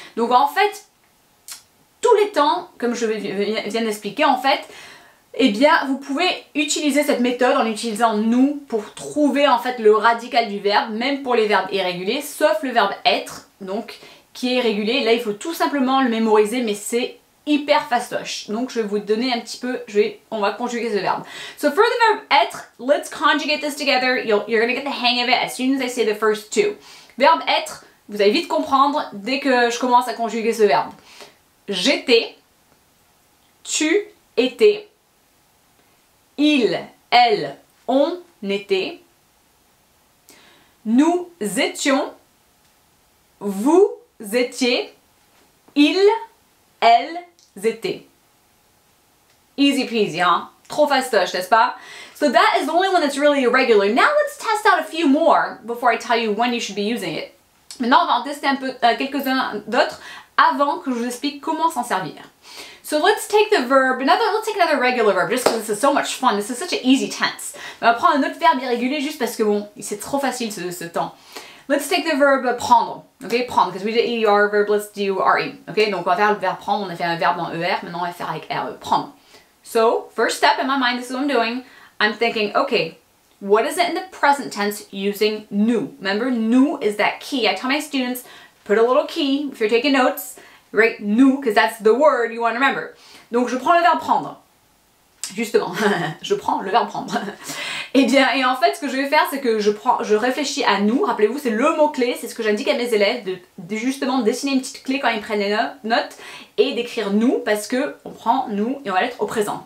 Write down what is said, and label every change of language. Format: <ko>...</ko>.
<fr>Donc en fait, tous les temps, comme je viens d'expliquer en fait, eh bien, vous pouvez utiliser cette méthode en utilisant « nous » pour trouver en fait le radical du verbe, même pour les verbes irréguliers, sauf le verbe « être », donc, qui est régulier. Là, il faut tout simplement le mémoriser, mais c'est hyper fastoche. Donc, je vais vous donner un petit peu, on va conjuguer ce verbe.</fr> <en>So, for the verb « être », let's conjugate this together. You're gonna get the hang of it as soon as I say the first two.</en> <fr>Verbe « être », vous allez vite comprendre dès que je commence à conjuguer ce verbe. J'étais, tu étais. Il, elle, on était. Nous étions. Vous étiez. Ils, elles étaient.</fr> <en>Easy peasy,</en> <fr>hein? Trop fastoche, n'est-ce pas?</fr> <en>So that is the only one that's really irregular. Now let's test out a few more before I tell you when you should be using it.</en> <fr>Maintenant, on va en tester un peu quelques-uns d'autres avant que je vous explique comment s'en servir.</fr> <en>So let's take the verb, let's take another regular verb, just because this is so much fun, this is such an easy tense.</en> <fr>On va prendre un autre verbe irrégulier juste parce que bon, c'est trop facile ce temps.</fr> <en>Let's take the verb prendre, ok, prendre, because we did er verb, let's do re, ok,</en> <fr>donc on va faire le verbe prendre, on a fait un verbe en er, maintenant on va faire avec re, prendre.</fr> <en>So, first step in my mind, this is what I'm doing, I'm thinking, ok, what is it in the present tense using nous? Remember, nous is that key, I tell my students, put a little key, if you're taking notes, right, nous, because that's the word you want to remember.</en> <fr>Donc, je prends le verbe prendre. Justement, je prends le verbe prendre. Eh bien, et en fait, ce que je vais faire, c'est que je réfléchis à nous. Rappelez-vous, c'est le mot-clé. C'est ce que j'indique à mes élèves, de justement dessiner une petite clé quand ils prennent les notes et d'écrire nous, parce que on prend nous et on va l'être au présent.</fr>